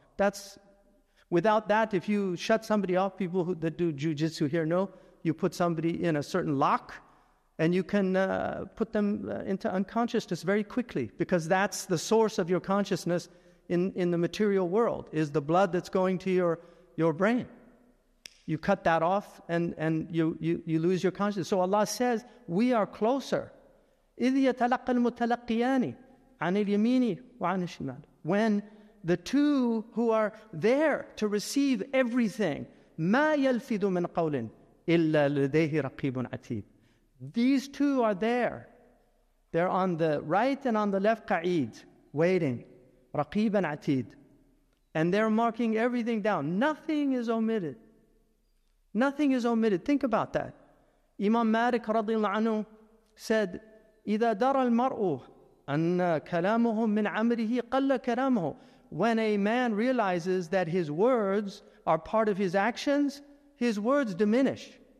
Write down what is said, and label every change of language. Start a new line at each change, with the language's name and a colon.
English: That's without that, if you shut somebody off, people who, that do jujitsu here know, you put somebody in a certain lock, and you can put them into unconsciousness very quickly because that's the source of your consciousness in the material world, is the blood that's going to your brain. You cut that off and you lose your consciousness. So Allah says, we are closer.
Arabic: إِذْ يَتَلَقَّى الْمُتَلَقِّيَانِ عَنِ الْيَمِينِ وَعَنِ الشِّمَالِ
English: When the two who are there to receive everything,
Arabic: مَا يَلْفِذُ مِنْ قَوْلٍ إِلَّا لَدَيْهِ رَقِيبٌ عَتِيدٌ
English: These two are there. They're on the right and on the left, qa'id, waiting, raqib and atid. And they're marking everything down. Nothing is omitted. Nothing is omitted. Think about that. Imam Malik radiallahu anhu said,
Arabic: إِذَا دَرَ الْمَرْءُ أَنَّ كَلَامُهُ مِنْ عَمْرِهِ قَلَّ كَلَامُهُ
English: When a man realizes that his words are part of his actions, his words diminish.